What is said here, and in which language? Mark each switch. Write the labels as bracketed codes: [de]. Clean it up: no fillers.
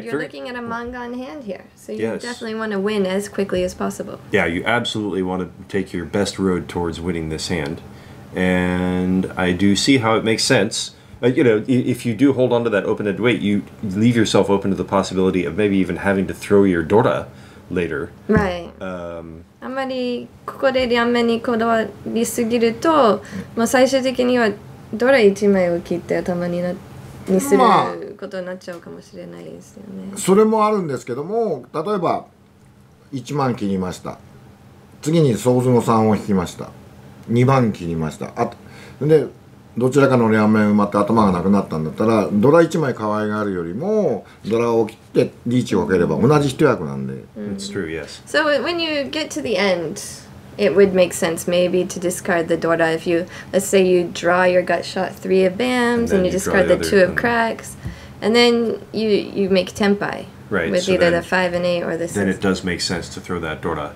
[en] And you're looking at a mangan hand here, so you definitely want to win as quickly as possible. Yeah, you absolutely want to take your best road towards winning this hand. And I do see how it makes sense. If you do hold on to that open-ended weight, you leave yourself open to the possibility of maybe even having to throw your dora later. Right. [ja] あまりここで両面にこだわりすぎると、もう最終的にはドラ1枚を切って頭にすることになっちゃうかもしれないですよね。それもあるんですけども、例えば1万切りました。次にソウズの3を引きました。2万切りました。あとでどちらかの両面埋まって頭がなくなったんだったらドラ1枚可愛があるよりもドラを切ってリーチをかければ同じ一役なんで。 [en] It's true, yes. So when you get to the end, it would make sense maybe to discard the dora if you, let's say you draw your gut shot three of bams and you discard the two of cracks, and then you make tenpai. Right, with so either then, the 5 and 8 or the 6. Then it does make sense to throw that dora.